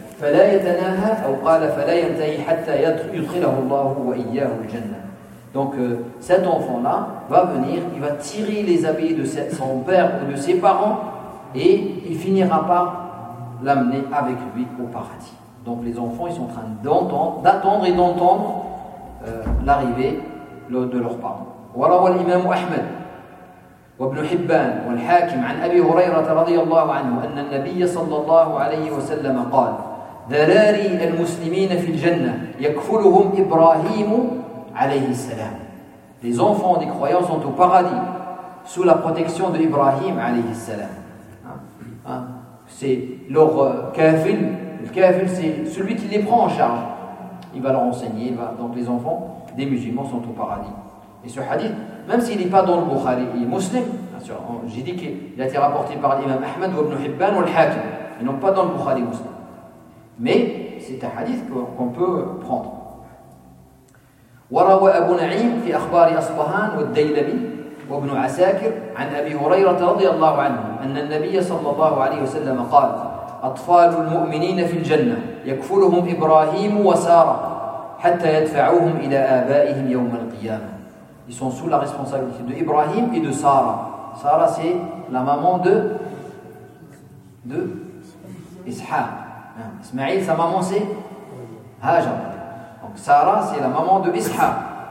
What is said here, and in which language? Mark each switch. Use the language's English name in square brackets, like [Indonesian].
[Arabic] فَلَا يَتَنَاهَا أَوْ قَالَ فَلَا يَنْتَهِي حَتَّى يُدْخِلَهُ اللَّهُ وَإِيَّاهُ الْجَنَّةِ [French] Donc cet enfant-là va venir, il va tirer les habits de son père ou de ses parents et il finira par l'amener avec lui au paradis. Donc les enfants, ils sont en train d'attendre l'arrivée de leurs parents. [Arabic] وَرَوَى الْإِمَامُ أَحْمَدُ وابن حبان والحاكم عن أبي هريرة رضي الله عنه أن النبي صلى الله عليه وسلم قال ذراري المسلمين في الجنة يكفلهم إبراهيم عليه السلام. [French] Les enfants des croyants sont au paradis sous la protection de Ibrahim alayhi salam. C'est leur kafil. Le kafil, c'est celui qui les prend en charge. Il va leur enseigner. Donc les enfants des musulmans sont au paradis. Et ce hadith, même s'il n'est pas dans le Bukhari, il est muslim. J'ai dit qu'il a été rapporté par l'imam Ahmed ou Ibn Hibban ou Al-Hakim. Ils n'ont pas dans le Bukhari muslim. Mais c'est un hadith qu'on peut prendre. [Arabic] وروى أبو نعيم في أخبار أصبهان والديلمي وابن عساكر عن أبي هريرة رضي الله عنه أن النبي صلى الله عليه وسلم قال أطفال المؤمنين في الجنة يكفلهم إبراهيم وسارة حتى يدفعوهم إلى آبائهم يوم القيامة. [French] Ils sont sous la responsabilité de Ibrahim et de Sarah. Sarah, c'est la maman de Ishaq. Ismaïl, sa maman, c'est Hajar. Sarah, c'est la maman de Ishaq.